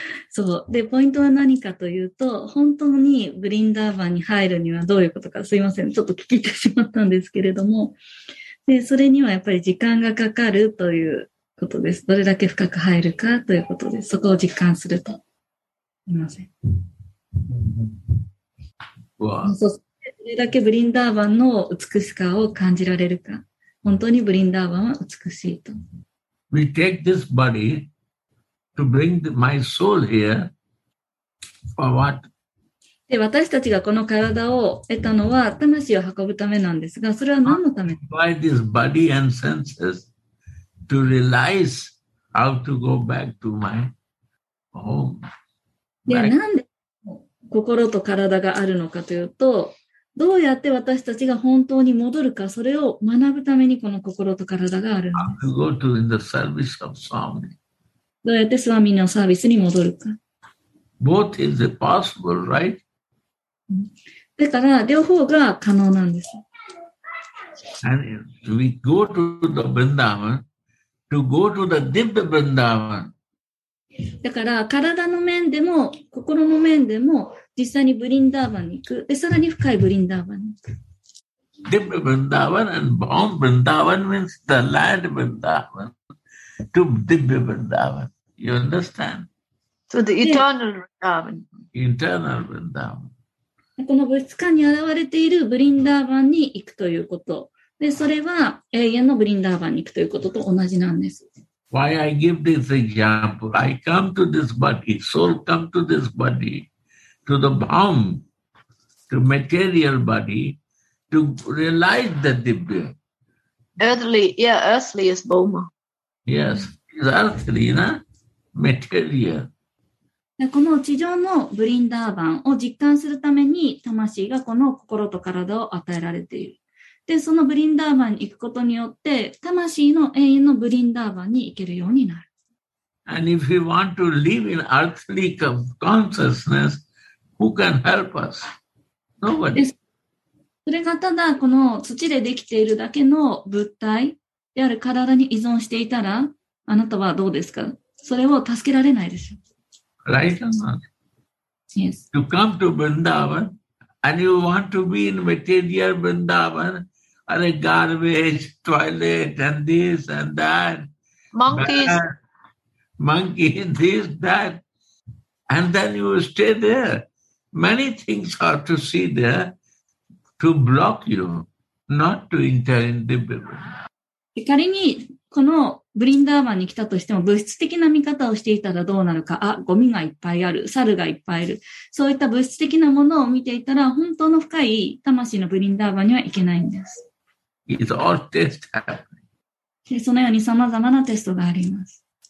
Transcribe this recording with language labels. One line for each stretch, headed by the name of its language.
Japanese: そうで、ポイントは何かというと、本当にブリンダーバンに入るにはどういうことか、すいませんちょっと聞いてしまったんですけれども、でそれにはやっぱり時間がかかるということです。どれだけ深く入るかということです。そこを実感すると、すいません、うわ、そうどれだけブリンダーバンの美しさを感じられるか、本当にブリンダーバンは美しいと。
English: We take this body to bring my soul here for what?
Japanese: で、私たちがこの体を得たのは魂を運ぶためなんですが、それは何のため？
English: By this body and senses to realize how to go back to my home.
Japanese: で、なんで心と体があるのかというと、どうやって私たちが本当に戻るか、それを学ぶためにこの心と体があるんです。
English: How to go to in the service of Swami.
Japanese: どうやってスワミのサービスに戻るか。
English: Both is possible, right?
Japanese: だから両方が可能なんです。
English: And we go to the Vrindavan to go to the deep Vrindavan.
Japanese: だから体の面でも心の面でも実際にブリンダーバンに行く。で、さらに深いブリンダーバンに行く。
English: Deep Vrindavan and bound Vrindavan means the land Vrindavan to deep Vrindavan. You understand? So the eternal Vrindavan. Internal Vrindavan.
Japanese: この物質界に現れているブリンダーバンに行くということ。で、それは永遠のブリンダーバンに行くということと同じなんです。
English: Why I give this example? I come to this body, soul come to this body, to the bomb, to material body, to realize the divine. Earthly, yeah, earthly is Boma. Yes, it's earthly, na? Material.
Japanese: この地上のブリンダーバンを実感するために魂がこの心と体を与えられている。で、そのブリンダーバンに行くことによって魂の永遠のブリンダーバンに行けるようになる。
English: And if we want to live in earthly consciousness, who can help us? Nobody.
Japanese: それがただこの土でできているだけの物体である体に依存していたら、あなたはどうですか？それを助けられないでしょ。
English: Right or not? Yes. You come to Vrindavan and you want to be in material Vrindavan, or a garbage, toilet, and this and that. Monkeys. Monkey, this, that. And then you stay there. Many things are to see there to block you, not to enter in the Vrindavan.
Japanese: ブリンダーバンに来たとしても物質的な見方をしていたらどうなるか。あ、ゴミがいっぱいある、猿がいっぱいいる、そういった物質的なものを見ていたら本当の深い魂のブリンダーバンには行けないんです。
English: It's all test happening.
Japanese: そのように様々なテストがあります。